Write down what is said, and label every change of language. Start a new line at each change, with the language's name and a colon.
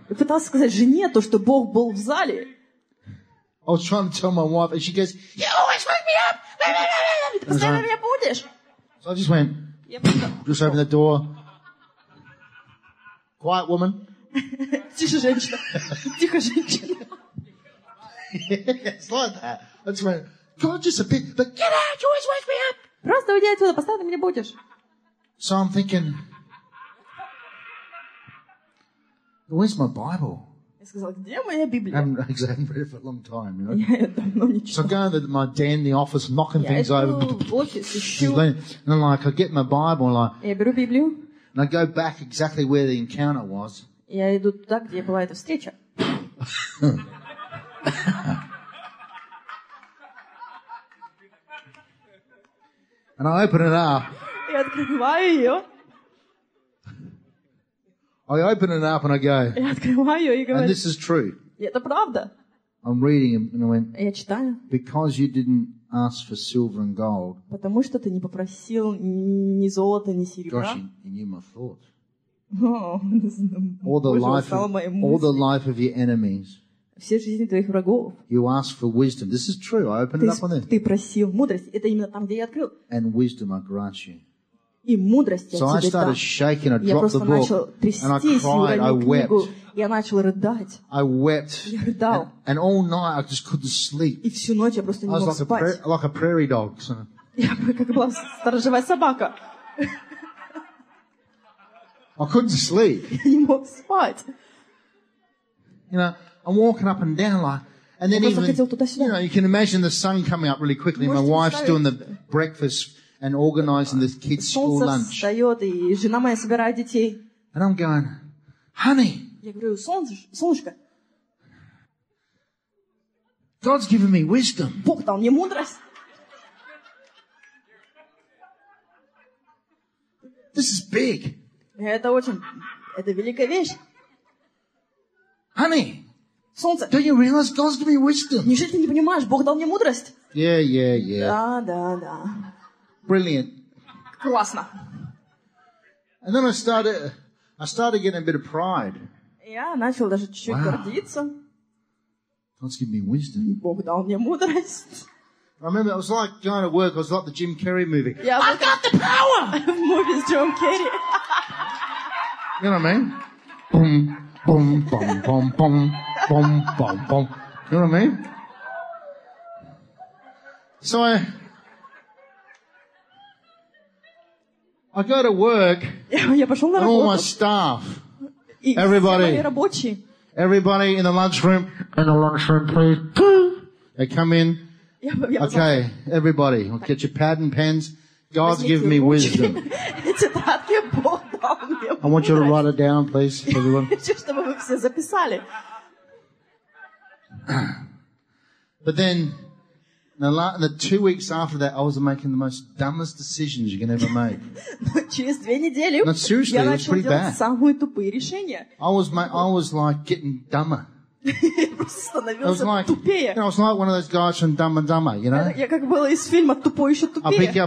Russian: Я пытался сказать жене то, что Бог был в зале.
English: I was trying to tell my wife, and she goes, "You always wake me up. So I just went, just opened the door. Quiet woman.
Russian: Тише, женщина. Тихо, женщина.
English: It's like that. That's when God just appeared. But get out! You always wake me up.
Russian: Просто уйди отсюда, постоянно меня будешь.
English: So I'm thinking, where's my Bible?
Russian: Я сказал, где моя Библия?
English: I haven't read it for a long time, you know. So I go into my den, the office, knocking things over. And I'm like, I get my Bible, and like.
Russian: Я беру Библию.
English: And I go back exactly where the encounter was.
Russian: Я иду туда, где была эта встреча.
English: And I open it up.
Russian: Я открываю ее.
English: I open it up and I go.
Russian: Я открываю ее и говорю.
English: And this is true.
Russian: Это правда.
English: I'm reading it and I went.
Russian: Я читаю.
English: Because you didn't ask for silver and gold.
Russian: Потому что ты не попросил ни золота, ни серебра.
English: Gosh, you knew my thoughts. Oh, all the life of your enemies.
Russian: Все жизни твоих врагов.
English: You ask for wisdom. This is true. I opened it up on this.
Russian: Ты просил мудрость. Это именно там, где я открыл.
English: And wisdom I grant you.
Russian: И мудрость
English: so
Russian: я тебе дал. Я просто
English: book,
Russian: начал трястись, уронил книгу. Я начал рыдать.
English: I wept.
Russian: Я рыдал.
English: And all night I just couldn't sleep.
Russian: И всю ночь я просто не
English: I
Russian: мог
English: like
Russian: спать.
English: Like a prairie dog. So.
Russian: Я как была сторожевая собака.
English: I couldn't sleep.
Russian: Я не мог спать.
English: You know, I'm walking up and down like. And then
Russian: я
English: even, you know, you can imagine the sun coming up really quickly. My wife's doing the breakfast. And organizing this kid's school lunch.
Russian: Встает, и жена моя собирает детей.
English: And I'm going, honey.
Russian: Я говорю, солнышко.
English: God's given me wisdom.
Russian: Бог дал мне мудрость.
English: This is big.
Russian: Это великая вещь.
English: Honey.
Russian: Солнце.
English: Don't you realize God's given me wisdom?
Russian: Неужели ты не понимаешь, Бог дал мне мудрость?
English: Yeah, yeah, yeah.
Russian: Да, да, да.
English: Brilliant.
Russian: Классно.
English: And then I started getting a bit of pride.
Russian: Я начал даже чуть-чуть гордиться.
English: God's given me wisdom.
Russian: Бог дал мне мудрость.
English: I remember it was like going to work. I was like the Jim Carrey movie. Yeah, I've got the power. Movie is Jim Carrey. You know what I mean? Boom, boom, boom, boom, boom, boom, boom, boom. You know what I mean? So I go to work. And all my staff. Everybody in the lunchroom. In the lunchroom, please. They come in. Okay, everybody. I'll get your pad and pens. God's given me wisdom. I want you to write it down, please, everyone.
Russian: Just чтобы вы все записали.
English: But then the 2 weeks after that, I was making the most dumbest decisions you can ever make.
Russian: Через две недели
English: no, seriously,
Russian: я начал делать самые тупые решения.
English: I was like getting dumber.
Russian: Я просто становился тупее.
English: You know, I was like one of those guys from Dumb and Dumber, you know?
Russian: Я как был из фильма «Тупой еще тупее».